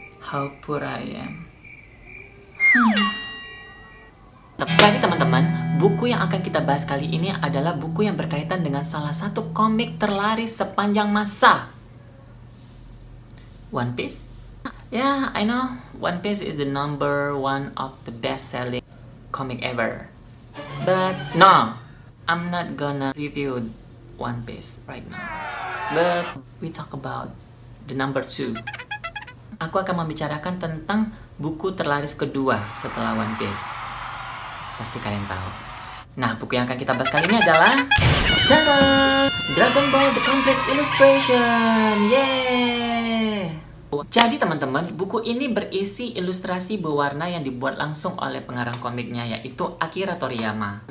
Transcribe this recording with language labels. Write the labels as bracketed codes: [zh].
[en] How poor I am. [id] Jadi teman-teman, buku yang akan kita bahas kali ini adalah buku yang berkaitan dengan salah satu komik terlaris sepanjang masa. [en] One Piece? Yeah, I know. One Piece is the number one of the best-selling comic ever. But no, I'm not gonna review One Piece right now. But we talk about the number two. [id] Aku akan membicarakan tentang buku terlaris kedua setelah One Piece. Pasti kalian tahu. Nah, buku yang akan kita bahas kali ini adalah Ta-da! Dragon Ball The Complete Illustration. Yeay! Jadi teman-teman, buku ini berisi ilustrasi berwarna yang dibuat langsung oleh pengarang komiknya, yaitu Akira Toriyama.